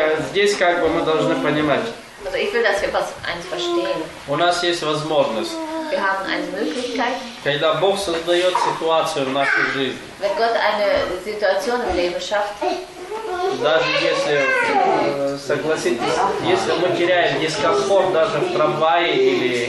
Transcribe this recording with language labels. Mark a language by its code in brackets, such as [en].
[ru] Здесь как бы мы должны понимать. [de] Also ich will, dass wir was eins verstehen. [ru] У нас есть возможность. [de] Wir haben eine Möglichkeit. [ru] Когда Бог создает ситуацию в нашей жизни. [de] Wenn Gott eine Situation im Leben schafft. [ru] Даже если, согласитесь, если мы теряем дискомфорт даже в трамвае или в